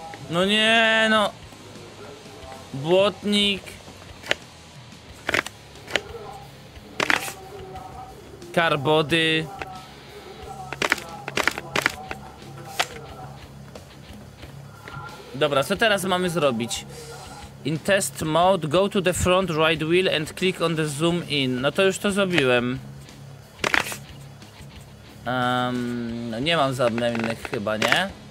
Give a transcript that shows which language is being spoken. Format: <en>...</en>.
<pl>No nie no. Błotnik. Karbody. Dobra, co teraz mamy zrobić?</pl> <en>In test mode, go to the front right wheel and click on the zoom in.</en> <pl>No to już to zrobiłem. No nie mam żadnych innych chyba, nie?</pl>